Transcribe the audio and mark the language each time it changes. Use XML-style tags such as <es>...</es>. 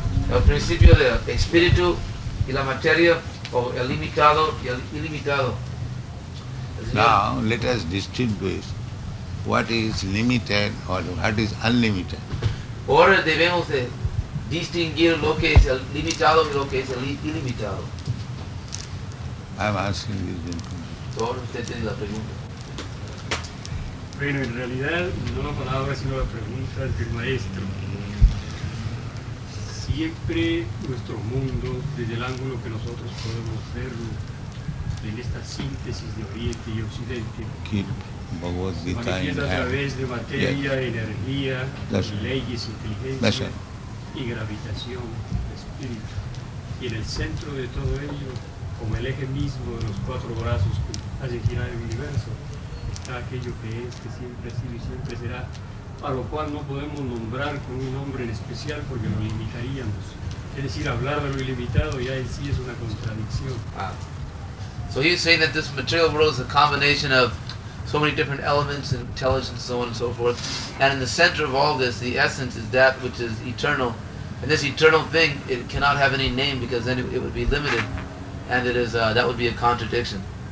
<es>El principio del espíritu y la materia, o el limitado y el ilimitado.</es> <en>Now, let us distinguish what is limited or what is unlimited.</en> <es>Ahora debemos de distinguir lo que es el limitado y lo que es el ilimitado.</es> <en>I am asking this gentleman.</en> <es>Ahora usted tiene la pregunta. Bueno, en realidad, no la palabra, sino la pregunta del maestro. Siempre nuestro mundo, desde el ángulo que nosotros podemos verlo, en esta síntesis de Oriente y Occidente, se manifiesta a través de materia,</es> <en>yes,</en> <es>energía,</es> <en>that's</en> <es>leyes, inteligencia,</es> <en>right,</en> <es>y gravitación, espíritu. Y en el centro de todo ello, como el eje mismo de los cuatro brazos que hace girar el universo, está aquello que es, que siempre ha sido y siempre será, a lo cual no podemos nombrar con un nombre en especial porque lo limitaríamos. Es decir, hablar de lo ilimitado ya en sí es una contradicción.</es> <en>So he's saying that this material world is a combination of so many different elements and intelligence, so on and so forth. And in the center of all this, the essence is that which is eternal. And this eternal thing, it cannot have any name because then it would be limited. And it is that would be a contradiction.</en>